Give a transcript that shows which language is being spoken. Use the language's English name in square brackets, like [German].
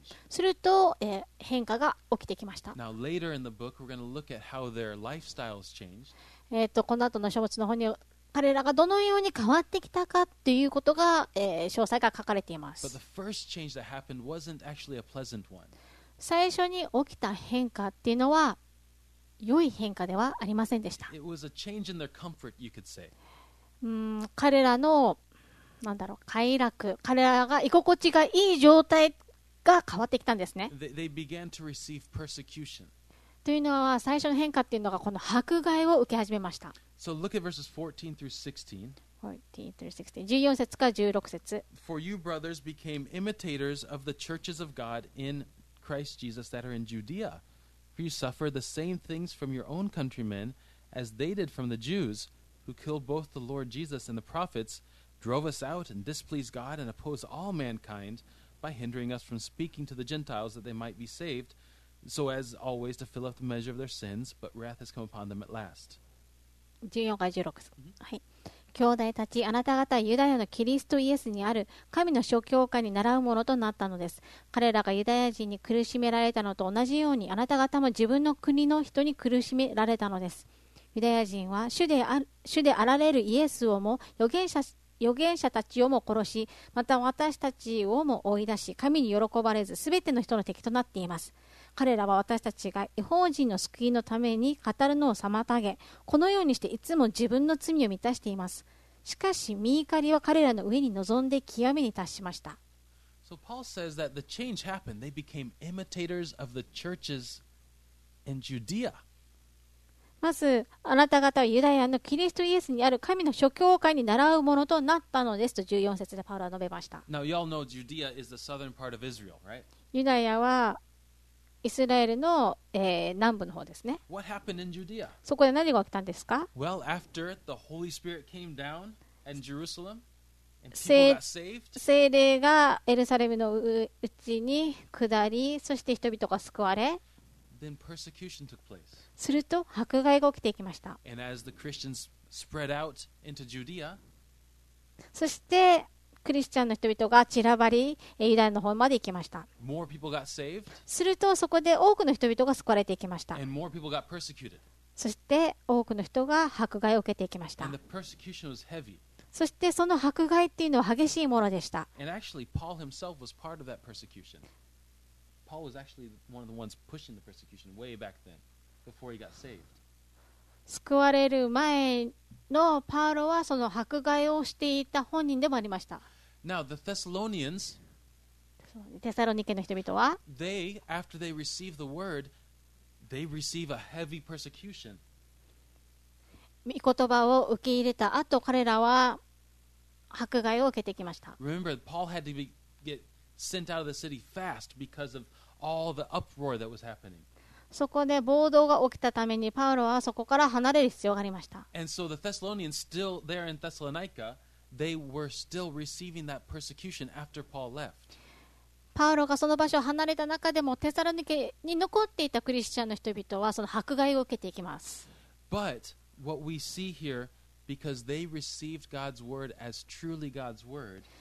[Japanese] すると、変化が起きてきました。 [English] Now, later in the book, we're going to look at how their lifestyles changed. [Japanese] この後の書物の方に彼らがどのように変わってきたかということが、詳細が書かれています。 [English] But the first change that happened wasn't actually a pleasant one. [Japanese] 最初に起きた変化っていうのは良い変化ではありませんでした。 [English] It was a change in their comfort, you could say. [Japanese] 彼らの何だろう、快楽、彼らが居心地がいい状態が変わってきたんですね。 [English] they began to receive persecution. [Japanese] というのは最初の変化というのがこの迫害を受け始めました。 [English] So look at verses 14 through 16. [Japanese] 14節から16節。 [English] For you brothers became imitators of the churches of God in Christ Jesus that are in Judea. For you suffered the same things from your own countrymen as they did from the Jews. Who killed both the Lord Jesus and the prophets, drove us out and displeased God and opposed all mankind by hindering us from speaking to the Gentiles that they might be saved, so as always to fill up the measure of their sins, but wrath has come upon them at last. [Japanese] 14から16節、はい、兄弟たち、あなた方はユダヤのキリストイエスにある神の諸教会に習うものとなったのです。彼らがユダヤ人に苦しめられたのと同じように、あなた方も自分の国の人に苦しめられたのです。ユダヤ人は主であられるイエスをも預言者たちをも殺し、また私たちをも追い出し、神に喜ばれず全ての人の敵となっています。彼らは私たちが異邦人の救いのために語るのを妨げ、このようにしていつも自分の罪を満たしています。しかし御怒りは彼らの上に臨んで極めに達しました。 [English] So Paul says that the change happened. They became imitators of the churches in Judea. [Japanese] まず、あなた方はユダヤのキリストイエスにある神の諸教会に習うものとなったのですと14節でパウロは述べました。 [English] Now, y'all know Judea is the southern part of Israel, right? [Japanese] ユダヤはイスラエルの、南部の方ですね。 [English] What happened in Judea? [Japanese] そこで何が起きたんですか? [English] Well, after the Holy Spirit came down in Jerusalem, and people got saved. [Japanese] 聖霊がエルサレムのうちに下り、そして人々が救われ、 [English] Then persecution took place. [Japanese] すると迫害が起きていきました。 [English] And as the Christians spread out into Judea, [Japanese] そしてクリスチャンの人々が散らばり、ユダヤの方まで行きました。 [English] More people got saved. [Japanese] するとそこで多くの人々が救われていきました。 [English] And more people got persecuted. [Japanese] そして多くの人が迫害を受けていきました。 [English] And the persecution was heavy. [Japanese] そしてその迫害っていうのは激しいものでした。 [English] And actually, Paul himself was part of that persecution. Paul was actually one of the ones pushing the persecution way back then, before he got saved. [Japanese] 救われる前のパウロはその迫害をしていた本人でもありました。 [English] Now, the Thessalonians, [Japanese] テサロニケの人々は、 [English] they, after they receive the word, they receive a heavy persecution. [Japanese] 御言葉を受け入れた後、彼らは迫害を受けてきました。 [English] Remember, Paul had to get sent out of the city fast because ofAll the uproar that was happening. [Japanese] そこで暴動が起きたためにパウロはそこから離れる必要がありました。 [English] And so the Thessalonians still there in Thessalonica, they were still receiving that persecution after Paul left. [Japanese] パウロがその場所を離れた中でもテサロニケに残っていたクリスチャンの人々はその迫害を受けていきます。 [English] But what we see here, because they received God's word as truly God's word.